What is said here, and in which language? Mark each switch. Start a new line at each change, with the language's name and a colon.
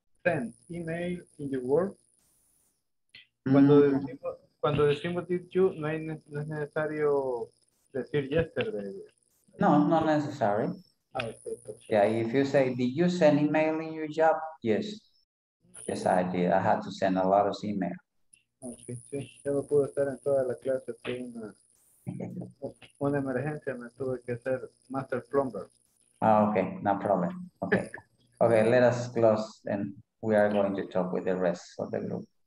English: Send email in your work?
Spanish: Cuando decimos did you, no es necesario decir yesterday.
English: No, not necessary. Okay. Yeah, if you say, did you send email in your job? Yes. Yes, I did. I had to send a lot of email.
Spanish: Okay, sí. Yo no pude estar en toda la clase. Una emergencia me tuve que hacer master plumber.
English: Ah, okay, no problem. Okay. Okay, let us close and we are going to talk with the rest of the group.